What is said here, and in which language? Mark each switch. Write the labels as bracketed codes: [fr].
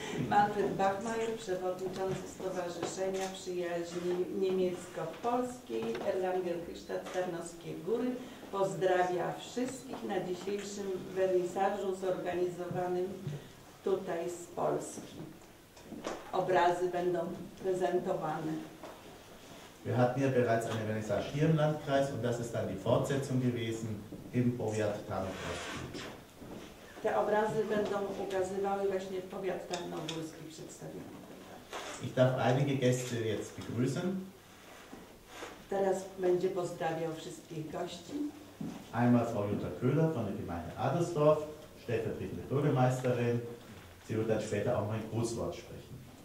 [pl] Manfred Bachmeier, przewodniczący Stowarzyszenia Przyjaźni Niemiecko-Polskiej Erlanger Hyszta Tarnowskie Góry pozdrawia wszystkich na dzisiejszym wernisażu zorganizowanym tutaj z Polski. Obrazy będą prezentowane. [de] Wir hatten ja bereits eine Vernissage hier im Landkreis und das ist dann die Fortsetzung gewesen im Powiat Tarnowski. [pl] Te obrazy będą ukazywały właśnie powiat tarnogórski przedstawiony. [de] Ich darf einige Gäste jetzt begrüßen. [pl] Teraz będzie pozdrawiał wszystkich gości. [de] Einmal Frau Jutta Köhler von der Gemeinde Adelsdorf, stellvertretende Bürgermeisterin. Sie wird dann später auch mein Grußwort sprechen.